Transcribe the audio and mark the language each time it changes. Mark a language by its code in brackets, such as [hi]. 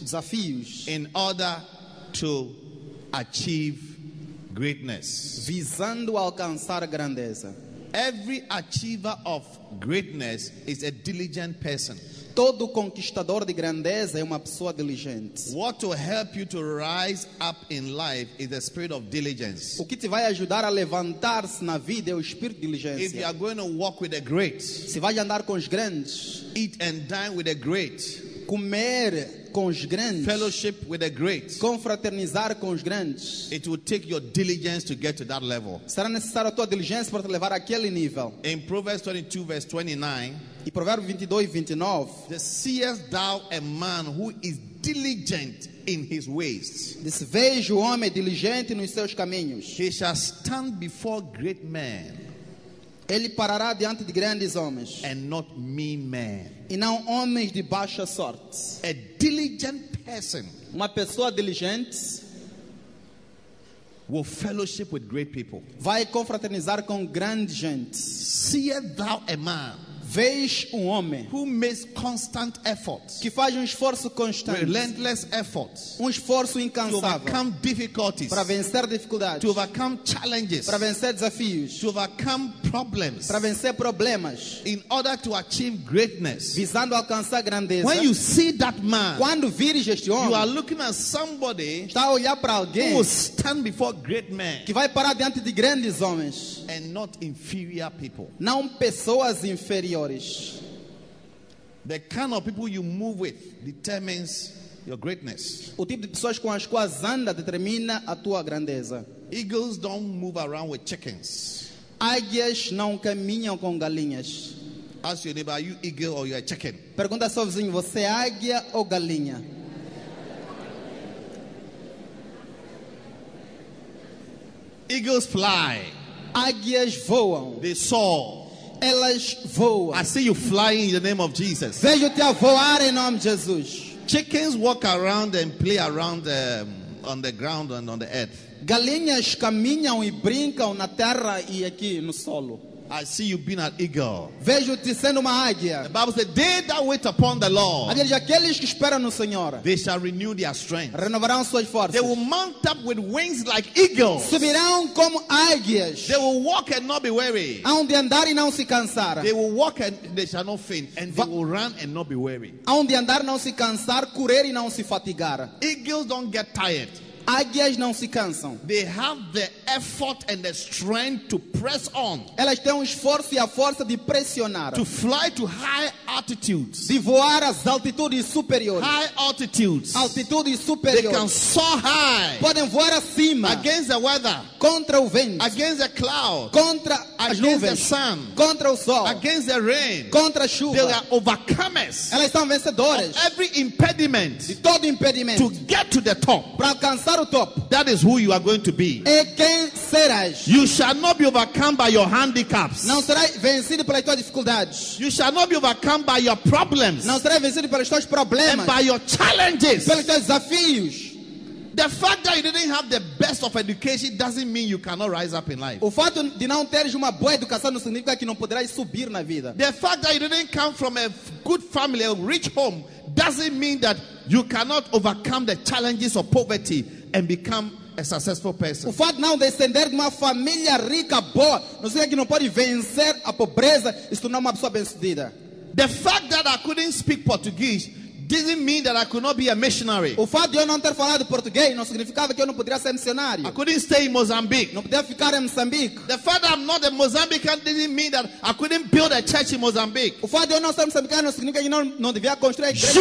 [pt] Desafios. [en] In order to achieve greatness. [pt] Visando alcançar grandeza. [en] Every achiever of greatness is a diligent person. [pt] Todo conquistador de grandeza é uma pessoa diligente. [en] What will help you to rise up in life is the spirit of diligence. [pt] O que te vai ajudar a levantar-se na vida é o espírito de diligência. [en] If you are going to walk with the great, [pt] se vai andar com os grandes, [en] eat and dine with the great, [pt] comer com os grandes, [en] fellowship with the great, [pt] confraternizar com os grandes, [en] it will take your diligence to get to that level. [pt] Será necessária a tua diligência para te levar àquele nível. [en] In Proverbs 22 verse 29, [pt] e Provérbios 22:29, [en] seest thou a man who is diligent in his ways? [pt] Diz, vejo o homem diligente nos seus caminhos. [en] He shall stand before great men. [pt] Ele parará diante de grandes homens. [en] And not mean men. [pt] E não homens de baixa sorte. [en] A diligent person. [pt] Uma pessoa diligente. [en] Will fellowship with great people. [pt] Vai confraternizar com grande gente. [en] Seest thou a man? [pt] Vês homem [en] who makes constant efforts, [pt] que faz esforço constante, [en] relentless efforts, [pt] esforço incansável, [en] to overcome difficulties, [pt] para vencer dificuldades, [en] to overcome challenges, [pt] para vencer desafios, [en] to overcome problems, [pt] para vencer problemas, [en] in order to achieve greatness, [pt] visando alcançar grandeza. [en] When you see that man, [pt] quando vires este homem, [en] you are looking at somebody, [pt] está a olhar para alguém, [en] who will stand before great men, [pt] que vai parar diante de grandes homens, [en] and not inferior people, [pt] não pessoas inferiores. [en] The kind of people you move with determines your greatness. [pt] O tipo de pessoas com as quais anda determina a tua grandeza. [en] Eagles don't move around with chickens. [pt] Águias não caminham com galinhas. [en] Ask your neighbor, are you eagle or you a chicken? [pt] Pergunta ao seu vizinho, você é águia ou galinha? [en] Eagles fly. [pt] Águias voam. [en] They soar. [pt] Elas voam. [en] I see you flying in the name of Jesus. [pt] Vejo-te a voar em nome de Jesus. [en] Chickens walk around and play around on the ground and on the earth. [pt] Galinhas caminham e brincam na terra e aqui no solo. [en] I see you being an eagle. [pt] Vejo-te sendo uma águia. [en] The Bible says, they that wait upon the Lord, [pt] aqueles que esperam no Senhor, [en] they shall renew their strength. [pt] Renovarão suas forças. [en] They will mount up with wings like eagles. [pt] Subirão como águias. [en] They will walk and not be weary. [pt] Aonde andar e não se cansar. [en] They will walk and they shall not faint. And they will run and not be weary. [pt] Aonde andar não se cansar, correr e não se fatigar. [en] Eagles don't get tired. [pt] águias não se cansam. [en] They have the effort and the strength to press on. [pt] Elas têm o esforço e a força de pressionar. [en] To fly to high altitudes. [pt] De voar às altitudes superiores. [en] High altitudes. [pt] Altitudes superiores. [en] They can soar high. [pt] Podem voar acima. [en] Against the weather. [pt] Contra o vento. [en] Against the cloud. [pt] Contra as nuvens. [en] The sun. [pt] Contra o sol. [en] Against the rain. [pt] Contra a chuva. [en] They are overcomers. [pt] Elas são vencedoras. [en] Of every impediment. [pt] De todo impedimento. [en] To get to the top. [pt] Para alcançar o top. [en] That is who you are going to be. [pt] É quem serás. [en] You shall not be overcome by your handicaps. [pt] Não serás vencido pelas tuas dificuldades. [en] You shall not be overcome by your problems. [pt] Não serás vencido pelos teus problemas. [en] And by your challenges. [pt] Pelos teus desafios. [en] The fact that you didn't have the best of education doesn't mean you cannot rise up in life. [pt] O fato de não teres uma boa educação não significa que não poderás subir na vida. [en] The fact that you didn't come from a good family, a rich home, doesn't mean that you cannot overcome the challenges of poverty and become a successful person. [pt] O fato de não descender de uma família rica boa não significa que não pode vencer a pobreza e se tornar uma pessoa bem-sucedida. [en] The fact that I couldn't speak Portuguese didn't mean that I could not be a missionary. [pt] O fato de eu não ter falado português não significava que eu não poderia ser missionário. [en] I couldn't stay in Mozambique. [pt] Não podia ficar em Moçambique. [en] The fact that I'm not a Mozambican didn't mean that I couldn't build a church in Mozambique. [pt] O fato de eu não ser moçambicano não significa que eu não devia construir a igreja